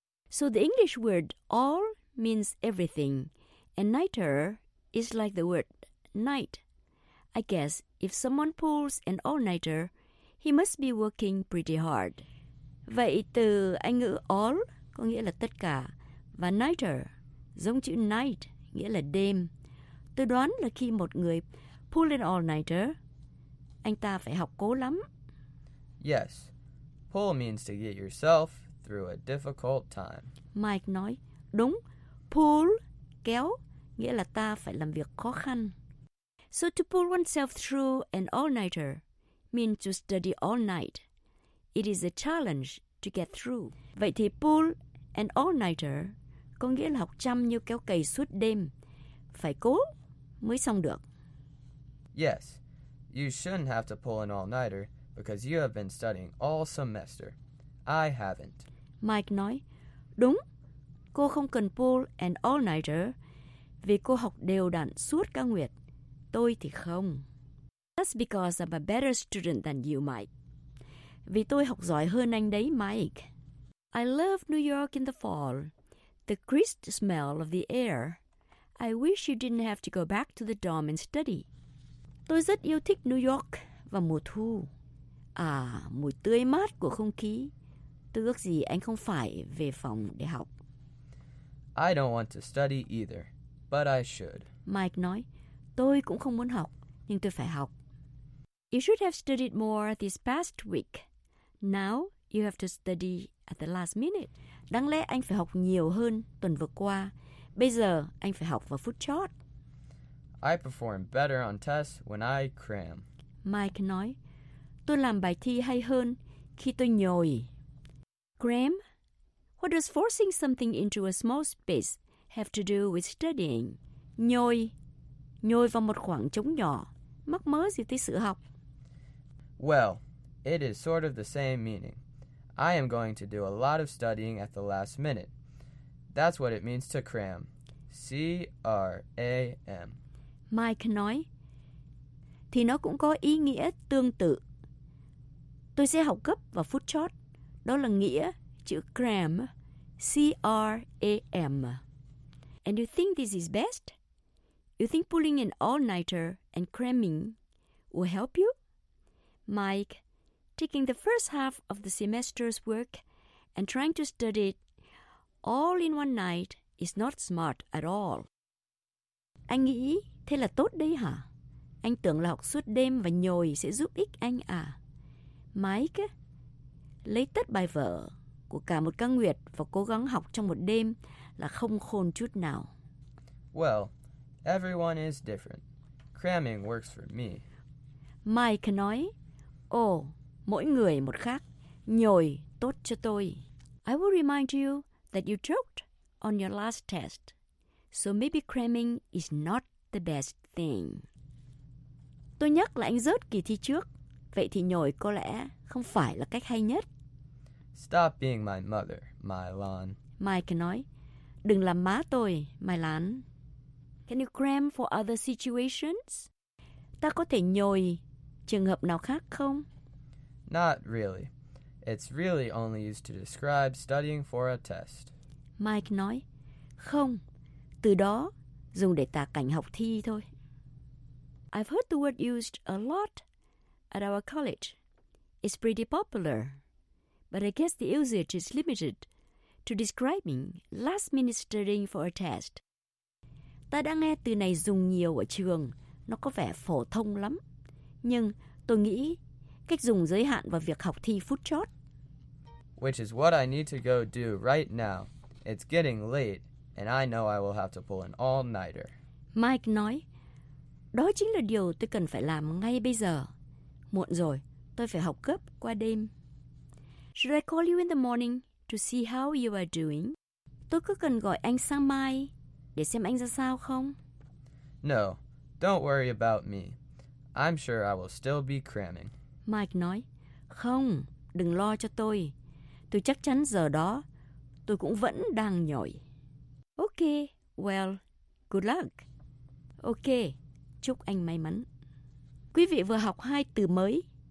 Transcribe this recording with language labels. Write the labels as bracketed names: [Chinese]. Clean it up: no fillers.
[English] So the English word all means everything, and nighter is like the word night. I guess if someone pulls an all-nighter, he must be working pretty hard. [Vietnamese] Vậy từ Anh ngữ all có nghĩa là tất cả, và nighter giống chữ night nghĩa là đêm. Tôi đoán là khi một người [English] pull an all-nighter, [Vietnamese] anh ta phải học cố lắm. [English] Yes, pull means to get yourself through a difficult time. [Vietnamese] Mike nói, đúng, pull, kéo, nghĩa là ta phải làm việc khó khăn. [English] So to pull oneself through an all-nighter means to study all night. It is a challenge to get through. [Vietnamese] Vậy thì [English] pull an all-nighter [Vietnamese] có nghĩa là học chăm như kéo cày suốt đêm, phải cố mới xong được. [English] Yes, you shouldn't have to pull an all-nighter because you have been studying all semester. I haven't. [Vietnamese] Mike nói, đúng, cô không cần [English] pull an all-nighter [Vietnamese] vì cô học đều đặn suốt cả nguyệt. Tôi thì không. [English] That's because I'm a better student than you, Mike. [Vietnamese] Vì tôi học giỏi hơn anh đấy, Mike. [English] I love New York in the fall. The crisp smell of the air. I wish you didn't have to go back to the dorm and study. [Vietnamese] Tôi rất yêu thích New York vào mùa thu. À, mùi tươi mát của không khí. Tôi ước gì anh không phải về phòng để học. [English] I don't want to study either, but I should. [Vietnamese] Mike nói, tôi cũng không muốn học, nhưng tôi phải học. [English] You should have studied more this past week. Now you have to study at the last minute. [Vietnamese] Đáng lẽ anh phải học nhiều hơn tuần vừa qua. Bây giờ anh phải học vào phút chót. [English] I perform better on tests when I cram. [Vietnamese] Mike nói, tôi làm bài thi hay hơn khi tôi nhồi. [English] Cram? What does forcing something into a small space have to do with studying? [Vietnamese] Nhồi. Nhồi vào một khoảng trống nhỏ. Mắc mớ gì tới sự học? [English] Well, it is sort of the same meaning. I am going to do a lot of studying at the last minute. That's what it means to cram. C-R-A-M. [Vietnamese] Mike nói, thì nó cũng có ý nghĩa tương tự. Tôi sẽ học gấp vào phút chót. Đó là nghĩa chữ cram. C-R-A-M. [English] And you think this is best? You think pulling an all-nighter and cramming will help you? Mike, taking the first half of the semester's work and trying to study it all in one night is not smart at all. [Vietnamese] Anh nghĩ thế là tốt đấy hả? Anh tưởng là học suốt đêm và nhồi sẽ giúp ích anh à? Mike, lấy tất bài vở của cả một căn nguyệt và cố gắng học trong một đêm là không khôn chút nào. [English] Well, everyone is different. Cramming works for me. [Vietnamese] Mike nói, ồ, mỗi người một khác. Nhồi tốt cho tôi. [English] I will remind you that you choked on your last test. So maybe cramming is not the best thing. [Vietnamese] Tôi nhắc là anh rớt kỳ thi trước. Vậy thì nhồi có lẽ không phải là cách hay nhất. [English] Stop being my mother, Mylan. [Vietnamese] Mike nói, đừng làm má tôi, Mylan. [English] Can you cram for other situations? [Vietnamese] Ta có thể nhồi trường hợp nào khác không? [English] Not really. It's really only used to describe studying for a test. [Vietnamese] Mike nói, không, từ đó dùng để tả cảnh học thi thôi. [English] I've heard the word used a lot at our college. It's pretty popular. But I guess the usage is limited to describing last-minute studying for a test. [Vietnamese] Ta đã nghe từ này dùng nhiều ở trường. Nó có vẻ phổ thông lắm. Nhưng tôi nghĩ cách dùng giới hạn vào việc học thi phút chót. [English] Which is what I need to go do right now. It's getting late, and I know I will have to pull an all-nighter. [Vietnamese] Mike nói, đó chính là điều tôi cần phải làm ngay bây giờ. Muộn rồi, tôi phải học gấp qua đêm. [English] Should I call you in the morning to see how you are doing? [Vietnamese] Tôi cứ cần gọi anh sáng mai để xem anh ra sao không? [English] No, Don't worry about me. I'm sure I will still be cramming. [Vietnamese] Mike nói, không, đừng lo cho tôi. Tôi chắc chắn giờ đó, tôi cũng vẫn đang nhồi. [English] Okay, well, good luck. [Vietnamese] Okay, chúc anh may mắn. Quý vị vừa học hai từ mới.